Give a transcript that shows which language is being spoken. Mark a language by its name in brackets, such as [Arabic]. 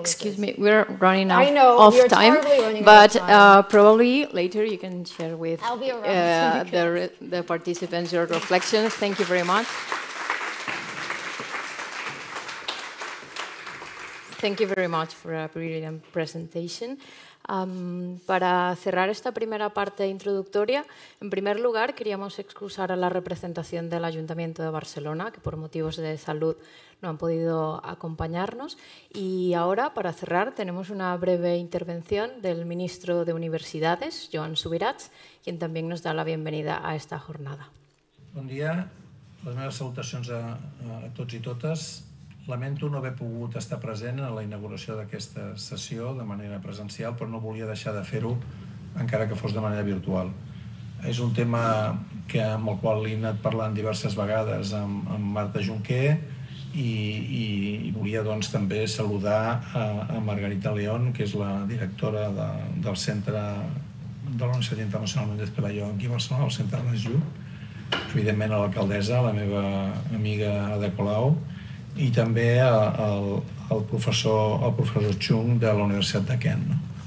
[English] Excuse me, we're running out of time, but probably later you can share with the participants your reflections. Thank you very much. Thank you very much for a brilliant presentation. [Spanish] Para cerrar esta primera parte introductoria, en primer lugar queríamos excusar a la representación del Ayuntamiento de Barcelona, que por motivos de salud no han podido acompañarnos. Y ahora, para cerrar, tenemos una breve intervención del ministro de Universidades, Joan Subirats, quien también nos da la bienvenida a esta jornada. [Catalan] Bon dia. Les meves salutacions a tots i totes. Lamento no haver pogut estar present a la inauguració d'aquesta sessió de manera presencial, però no volia deixar de fer-ho encara que fos de manera virtual. És un tema que, amb el qual he anat parlant diverses vegades amb Marta Junqué i volia doncs també saludar a Margarita León, que és la directora del Centre de la Universitat Internacional Mendes Pelayo aquí a Barcelona, el Centre de l'ESJU, evidentment a l'alcaldessa, la meva amiga Ada Colau, i també el professor Chung de la Universitat de Kent.